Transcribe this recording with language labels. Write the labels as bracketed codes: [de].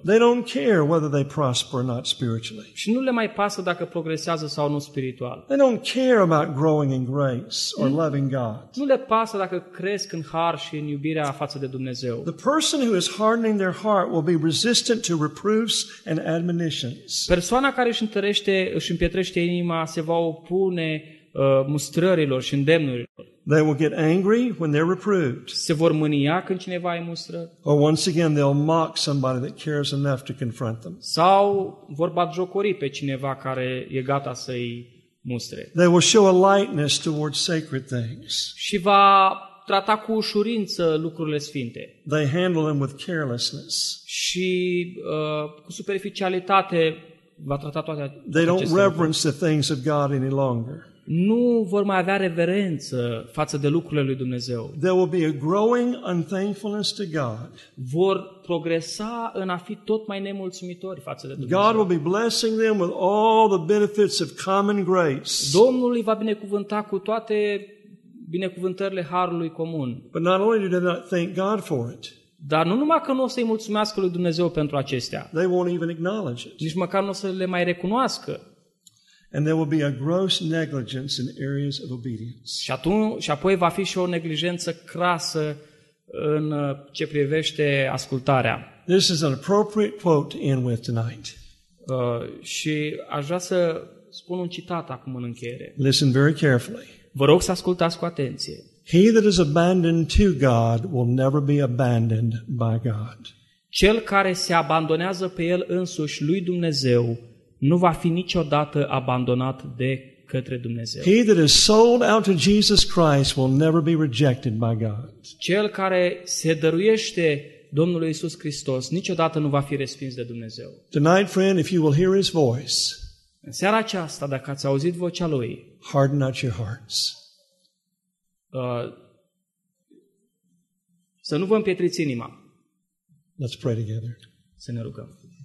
[en] They don't care whether they prosper or not spiritually. [ro] Și nu le mai pasă dacă progresează sau nu spiritual. [en] They don't care about growing in grace or loving God. [ro] Nu le pasă dacă cresc în har și în iubirea față de Dumnezeu. [en] The person who is hardening their heart will be resistant to reproofs and admonitions. [ro] Persoana care își întărește, își împietrește inima se va opune mustrărilor și îndemnurilor. [en] They will get angry when they're reproved. [ro] Se vor mânia când cineva îi mustră. [en] Or once again they'll mock somebody that cares enough to confront them. [ro] Sau vor batjocori pe cineva care e gata să-i mustre. [en] They will show a lightness towards sacred things. [ro] Și va trata cu ușurință lucrurile sfinte. [en] They handle them with carelessness. [ro] Și cu superficialitate va trata toate aceste lucruri. [en] They don't reverence the things of God any longer. [ro] Nu vor mai avea reverență față de lucrurile lui Dumnezeu. [en] There will be a growing unthankfulness to God. [ro] Vor progresa în a fi tot mai nemulțumitori față de Dumnezeu. [en] God will be blessing them with all the benefits of common grace. [ro] Domnul îi va binecuvânta cu toate binecuvântările harului comun. [en] But not only do they not thank God for it. [ro] Dar nu numai că nu o să-i mulțumească lui Dumnezeu pentru acestea. [en] They won't even acknowledge it. [ro] Nici măcar nu o să le mai recunoască. [en] And there will be a gross negligence in areas of obedience. [ro] Și apoi va fi și o neglijență crasă în ce privește ascultarea. [en] This is an appropriate quote to end with tonight. [ro] Și aș vrea să spun un citat acum în încheiere. [en] Listen very carefully. [ro] Vă rog să ascultați cu atenție. [en] He that is abandoned to God will never be abandoned by God. [ro] Cel care se abandonează pe el însuși lui Dumnezeu nu va fi niciodată abandonat de către Dumnezeu. [en] He that is sold out to Jesus Christ will never be rejected by God. [ro] Cel care se dăruiește Domnului Iisus Hristos niciodată nu va fi respins de Dumnezeu. [en] Tonight, friend, if you will hear his voice. [ro] În seara aceasta, dacă ați auzit vocea lui, [en] harden not your hearts. [ro] Să nu vă împietriți inima. [en] Let's pray together. [ro] Să ne rugăm.